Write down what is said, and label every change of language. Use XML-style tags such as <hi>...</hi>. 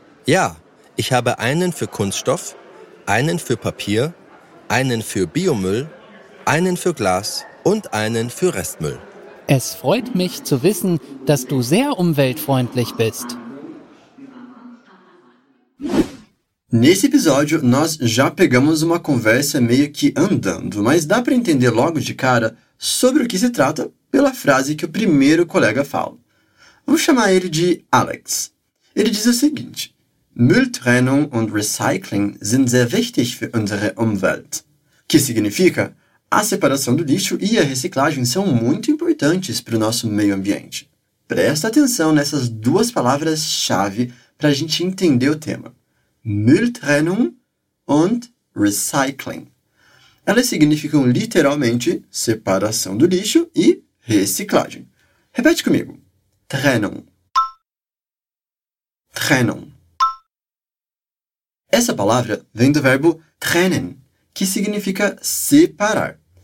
<de>Ja, ich habe einen für Kunststoff, einen für Papier, einen für Biomüll, einen für Glas und einen für Restmüll. Es freut mich zu wissen, dass du sehr umweltfreundlich bist.</de> <pt>Nesse episódio, nós já pegamos uma conversa meio que andando, mas dá para entender logo de cara sobre o que se trata pela frase que o primeiro colega fala. Vamos chamar ele de Alex. Ele diz o seguinte:</pt> <de>Mülltrennung und Recycling sind sehr wichtig für unsere Umwelt.</de> <pt>Que significa? A separação do lixo e a reciclagem são muito importantes para o nosso meio ambiente. Presta atenção nessas duas palavras-chave para a gente entender o tema.</pt> <de>Mülltrennung und Recycling.</de> <pt>Elas significam literalmente separação do lixo e reciclagem. Repete comigo. Trennung. Trennung. Essa palavra vem do verbo trennen, que significa separar.</pt>